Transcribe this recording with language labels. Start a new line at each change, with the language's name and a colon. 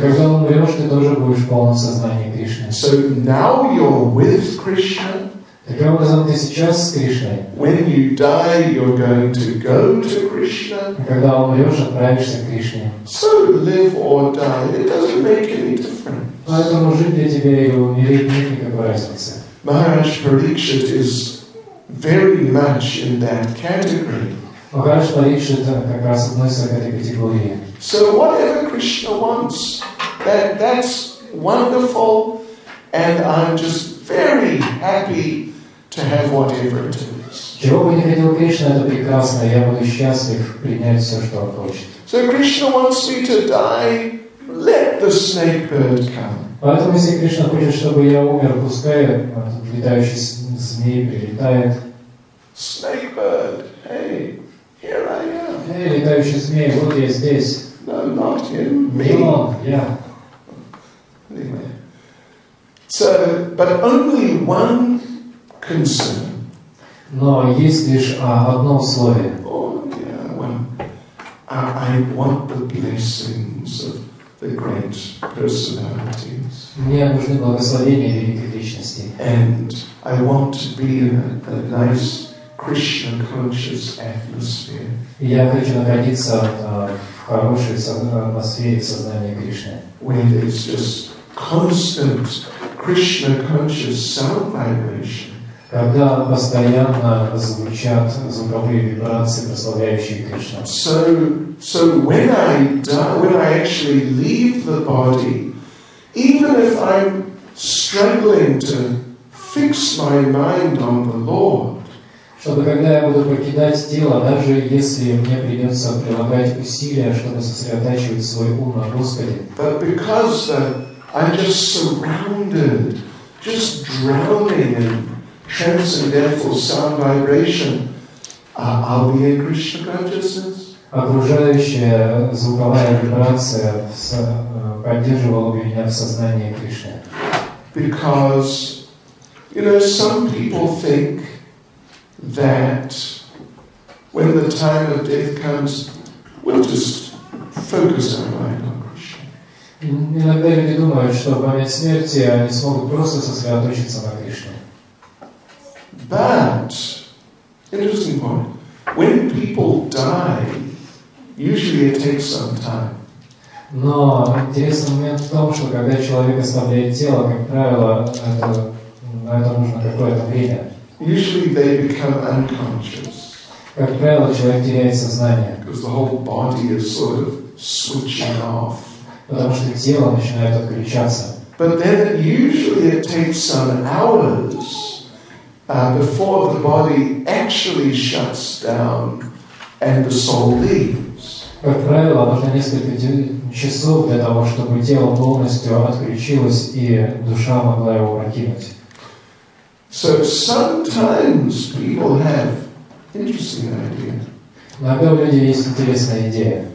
Russian: Когда умрешь, ты тоже будешь в полном сознании Кришны.
English: So now you're with Krishna.
Russian: Таким образом, ты сейчас с Кришной.
English: When you die, you're going to go to Krishna.
Russian: Когда умрешь, отправишься к Кришне.
English: So live or die, it doesn't make any difference.
Russian: Поэтому жить для тебя и умереть нет никакой разницы.
English: Maharaj Pariksit is very much in that category.
Russian: Maharaj Pariksit как раз относится к этой категории.
English: So whatever Krishna wants, that's wonderful, and I'm just very happy to have whatever it is.
Russian: Чего бы ни хотел Кришна, это прекрасно. Я буду счастлив принять все, что он хочет.
English: So Krishna wants me to die. Let the snake bird come.
Russian: Поэтому если Кришна хочет, чтобы я умер, пускай летающий змей прилетает.
English: Snake bird, hey, here I am.
Russian: Эй, летающий змей, вот я здесь.
English: No, not him, me.
Russian: Не он, я.
English: So, but only one concern.
Russian: Но есть лишь одно условие.
English: Oh, yeah, well, I want the blessings of the great personalities.
Russian: Мне нужны благословения великих личностей.
English: And I want to be in a nice Krishna conscious atmosphere.
Russian: Я хочу находиться в хорошей атмосфере сознания Кришны.
English: Where there's just constant Krishna conscious sound vibration.
Russian: Когда постоянно звучат звуковые вибрации, прославляющие Кришну.
English: So when I actually leave the body, even if I'm struggling to fix my mind on the Lord,
Russian: чтобы когда я буду покидать тело, даже если мне придется прилагать усилия, чтобы сосредотачивать свой ум на Господе,
English: but because I'm just surrounded, just drowning in transcendental sound vibration, I'll be in Krishna consciousness.
Russian: Окружающая звуковая вибрация поддерживала бы меня в сознании Кришны.
English: Because, you know, some people think that when the time of death comes, we'll just focus our mind on Krishna.
Russian: Иногда люди думают, что в момент смерти они смогут просто сосредоточиться на Кришне.
English: But, interesting point, when people die, usually it takes some time.
Russian: Но интересный момент в том, что когда человек оставляет тело, как правило, на это нужно какое-то время.
English: Usually they become unconscious.
Russian: Как правило, человек теряет сознание.
English: Because the whole body is sort of switching off.
Russian: Потому что тело начинает отключаться.
English: But then usually it takes some hours before the body actually shuts down and the soul leaves.
Russian: Как правило, нужно несколько часов для того, чтобы тело полностью отключилось и душа могла его прокинуть.
English: So sometimes people have interesting ideas.
Russian: Иногда у людей есть интересная идея.